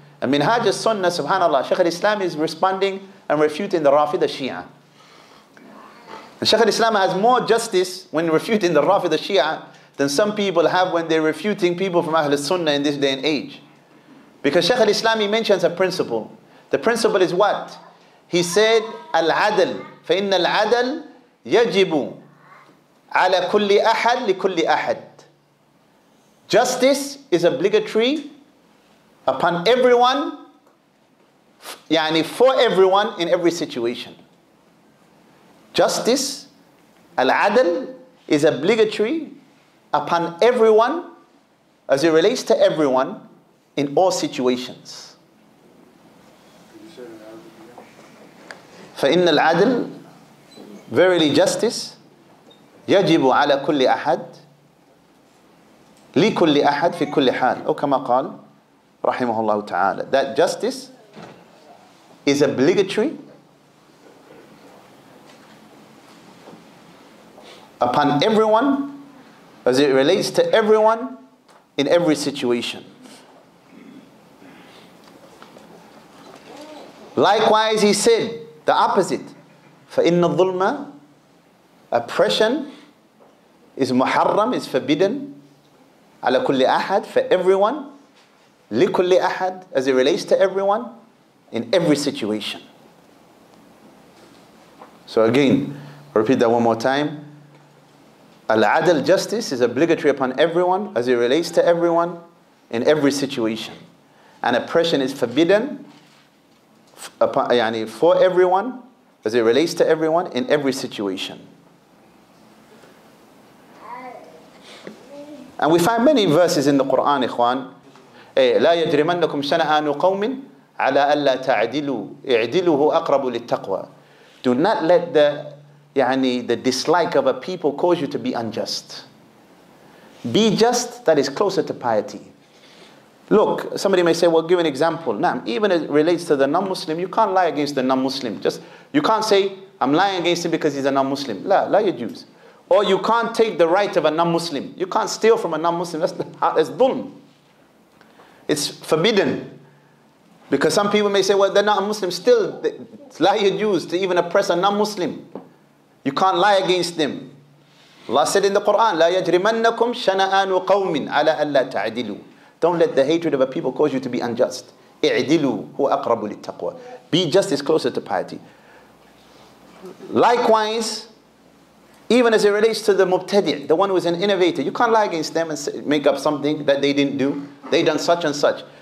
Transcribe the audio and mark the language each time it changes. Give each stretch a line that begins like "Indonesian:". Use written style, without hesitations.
English: And Minhaj al-Sunnah, subhanAllah, Shaykh al-Islam is responding and refuting the Rafida Shia. And Shaykh al-Islam has more justice when refuting the Rafida Shia than some people have when they're refuting people from Ahl al-Sunnah in this day and age. Because Shaykh al-Islam, he mentions a principle. The principle is what? He said,
Arabic: al-adl, فَإِنَّ الْعَدَلْ يَجِبُ عَلَى كُلِّ أَحَدْ لِكُلِّ أَحَدْ.
English: Justice is obligatory upon everyone, yani for everyone in every situation. Justice, al-adl, is obligatory upon everyone as it relates to everyone in all situations.
Arabic: فَإِنَّ الْعَدْلِ,
English: verily justice,
Arabic: يَجِبُ عَلَى كُلِّ أَحَدْ لِكُلِّ أَحَدْ فِي كُلِّ حَالِ, أو كما قال رحمه الله تعالى,
English: that justice is obligatory upon everyone as it relates to everyone in every situation. Likewise, he said the opposite.
Arabic: فَإِنَّ الظُّلْمَ,
English: oppression, is muharram, is forbidden,
Arabic: عَلَى كُلِّ أَحَدٍ,
English: for everyone,
Arabic: لِكُلِّ أَحَدٍ,
English: as it relates to everyone, in every situation. So again, I'll repeat that one more time. Al-adl, justice, is obligatory upon everyone, as it relates to everyone, in every situation. And oppression is forbidden, for everyone, as it relates to everyone, in every situation. And we find many verses in the Quran, ikhwan.
Arabic: لا يجرمنكم شنآن قوم على ألا تعدلوا اعدلوه أقرب للتقوى.
English: Do not let the dislike of a people cause you to be unjust. Be just, that is closer to piety. Look, somebody may say, well, give an example. Now, even as it relates to the non-Muslim, you can't lie against the non-Muslim. Just, you can't say, I'm lying against him because he's a non-Muslim. La yajuz. Or you can't take the right of a non-Muslim. You can't steal from a non-Muslim. That's dhulm. It's forbidden. Because some people may say, well, they're not a Muslim. Still, la yajuz to even oppress a non-Muslim. You can't lie against them. Allah said in the Quran,
Arabic: لَا يَجْرِمَنَّكُمْ شَنَآنُ قَوْمٍ عَلَىٰ أَلَّا تَعْدِلُوا.
English: Don't let the hatred of a people cause you to be unjust.
Arabic: اِعْدِلُوا هُوَ أَقْرَبُ لِلتَّقْوَى.
English: Be just is closer to piety. Likewise, even as it relates to the mubtadi', the one who is an innovator, you can't lie against them and make up something that they didn't do. They done such and such.